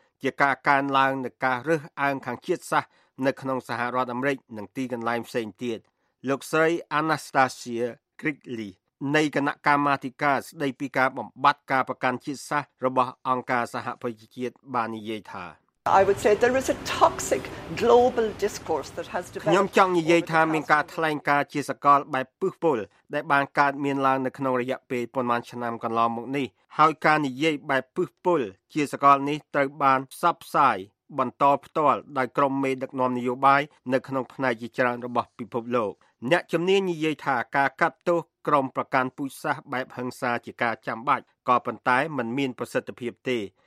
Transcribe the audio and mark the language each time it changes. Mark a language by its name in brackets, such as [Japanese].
[Khmer] ជាការកើនឡើងនៃការរើសអើងខាងជាតិសាសន៍នៅក្នុងសហរដ្ឋអាមេរិកនិងទីកន្លែងផ្សេងទៀតលោកស្រី Anastasia Crickley នៃគណៈកម្មាធិការស្ដីពីការបំបត្តិការប្រកាន់ជាតិសាសន៍របស់អង្គការសហប្រជាជាតិបាននិយាយថា [English] I would say there is a toxic global discourse that has developed. [Khmer] ខ្ញុំចង់និយាយថាមានការថ្លែងការណ៍ជាសកលបែបពឹសពុលដែលបានកើតមានឡើងនៅក្នុងរយៈពេលប៉ុន្មានឆ្នាំកន្លងមកនេះហើយការនិយាយបែបពឹសពុលជាសកលនេះត្រូវបានផ្សព្វផ្សាយបន្តផ្ទាល់ដោយក្រុមមេដឹកនាំនយោបាយនៅក្នុងផ្នែកជាច្រើនរបស់ពិភពលោកអ្នកជំនាញនិយាយថាការកាត់ទោសក្រុមប្រកាន់ពូជសាសន៍បែបហិង្សាជាការចាំបាច់ក៏ប៉ុន្តែ [Thai] มัน [Khmer] មានប្រសិទ្ធភាពទេ